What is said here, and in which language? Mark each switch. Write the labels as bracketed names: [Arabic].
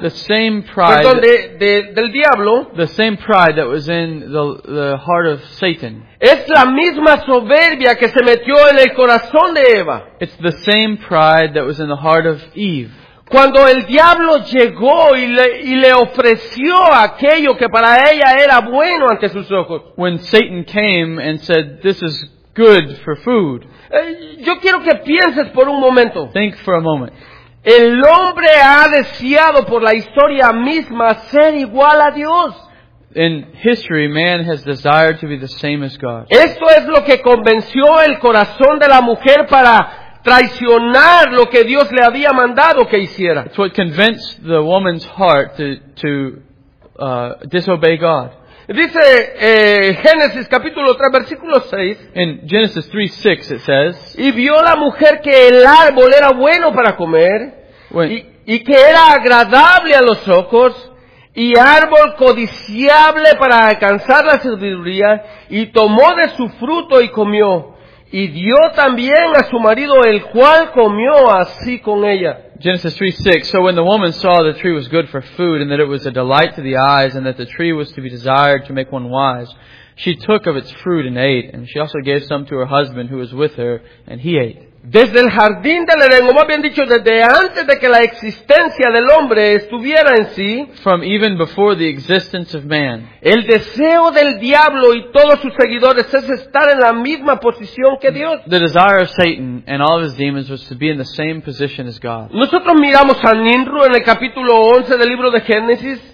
[English] the same pride, [Spanish] perdón, del diablo, [English] the same pride that was in the heart of Satan. [Spanish] Es la misma soberbia que se metió en el corazón de Eva. [English] It's the same pride that was in the heart of Eve. [Spanish] Cuando el diablo llegó y le ofreció aquello que para ella era bueno ante sus ojos. [English] When Satan came and said, "This is good for food." [Spanish] Yo quiero que pienses por un momento. [English] Think for a moment. [Spanish] El hombre ha deseado por la historia misma ser igual a Dios. [English] In history, man has desired to be the same as God. [Spanish] Esto es lo que convenció el corazón de la mujer para traicionar lo que Dios le había mandado que hiciera. [English] It's what convinced the woman's heart to disobey God. [Spanish] Dice Génesis capítulo 3 versículo 6. [English] In Genesis 3:6 it says. [Spanish] Y vio la mujer que el árbol era bueno para comer y que era agradable a los ojos. y árbol codiciable para alcanzar la sabiduría, y tomó de su fruto y comió, y dio también a su marido, el cual comió así con ella. [English] Genesis 3:6. So when the woman saw the tree was good for food, and that it was a delight to the eyes, and that the tree was to be desired to make one wise, she took of its fruit and ate, and she also gave some to her husband who was with her, and he ate. [Spanish] Desde el jardín del Edén, como habían dicho, desde antes de que la existencia del hombre estuviera en sí, [English] from even before the existence of man, [Spanish] el deseo del diablo y todos sus seguidores es estar en la misma posición que Dios. [English] The desire of Satan and all of his demons was to be in the same position as God. [Spanish] Nosotros miramos a Nimrod en el capítulo 11 del libro de Génesis.